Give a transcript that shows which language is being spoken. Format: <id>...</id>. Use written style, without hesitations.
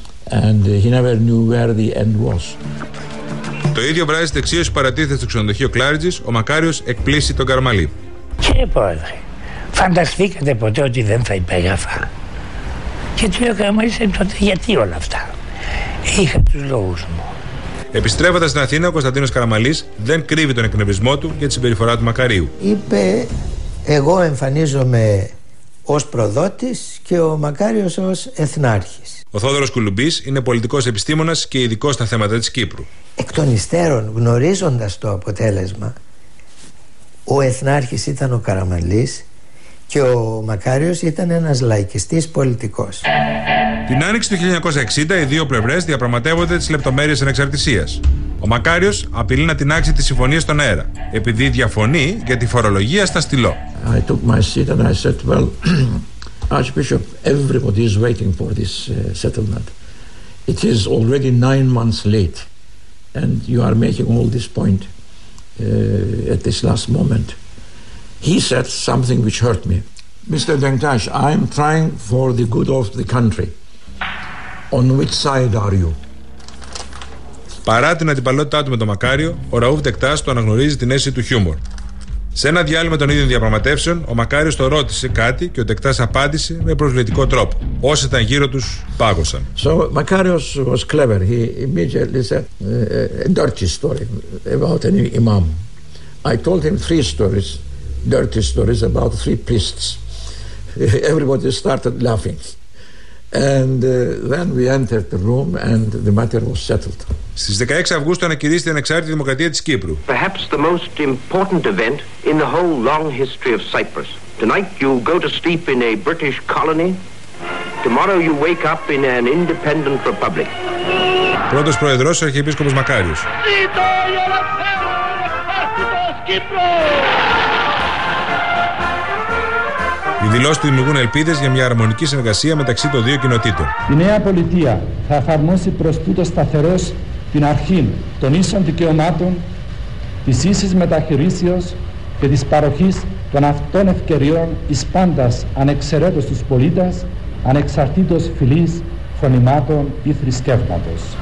<en>And he never knew where the end was.</en> <el>Το ίδιο βράδυ στις δεξίες παρατήθηκε στο ξενοδοχείο Κλάριτζης, ο Μακάριος εκπλήσει τον Καραμαλή. Κύριε Πρόεδρε, φανταστήκατε ποτέ ότι δεν θα υπέγραφα? Και του λέω, Καραμαλή, τότε γιατί όλα αυτά? Είχα τους λόγους μου. Επιστρέφοντας στην Αθήνα, ο Κωνσταντίνος Καραμαλής δεν κρύβει τον εκνευρισμό του για τη συμπεριφορά του Μακαρίου. Είπε, εγώ εμφανίζομαι ως προδότης και ο Μακάριος ως εθνάρχης. Ο Θόδωρος Κουλουμπής είναι πολιτικός επιστήμονας και ειδικός στα θέματα της Κύπρου. Εκ των υστέρων, γνωρίζοντας το αποτέλεσμα, ο εθνάρχης ήταν ο Καραμαλής και ο Μακάριος ήταν ένας λαϊκιστής πολιτικός. Την άνοιξη του 1960 οι δύο πλευρές διαπραγματεύονται τις λεπτομέρειες ανεξαρτησίας. Ο Μακάριος απειλεί να την άξει τη συμφωνία στον αέρα, επειδή διαφωνεί για τη φορολογία στα στυλό.</el> <en>I took my seat and I said, well, Archbishop, everybody is waiting for this settlement. It is already 9 months late and you are making all this point at this last moment. He said something which hurt me. Mr. Denktash, I am trying for the good of the country. On which side are you?</en> <el>Παρά την αντιπαλότητά του με τον Μακάριο, ο Ραούφ Ντεκτάς του αναγνωρίζει την αίσθηση του χιούμορ. Σε ένα διάλειμμα των ίδιων διαπραγματεύσεων, ο Μακάριος το ρώτησε κάτι και ο Ντεκτάς απάντησε με προσβλητικό τρόπο. Όσοι ήταν γύρω τους πάγωσαν.</el> <en>So, Μακάριος was clever. He immediately said a dirty story about an imam. I told him three stories, dirty stories about three priests. Everybody started laughing. And then we entered the room and the matter was settled.</en> <el>Στις 16 Αυγούστου ανακηρύσσεται την ανεξάρτητη δημοκρατία της Κύπρου.</el> <en>Perhaps the most important event in the whole long history of Cyprus. Tonight you go to sleep in a British colony. Tomorrow you wake up in an independent republic.</en> <el>Πρώτος Προεδρός, ο Αρχιεπίσκοπος Μακάριος. Οι δηλώσεις δημιουργούν ελπίδες για μια αρμονική συνεργασία μεταξύ των δύο κοινοτήτων. Η νέα πολιτεία θα εφαρμόσει προς τούτο σταθερός την αρχή των ίσων δικαιωμάτων, της ίσης μεταχειρήσεως και της παροχής των αυτών ευκαιριών εις πάντας ανεξαιρέτως τους πολίτες, ανεξαρτήτως φυλής, φωνημάτων ή θρησκεύματος.</el>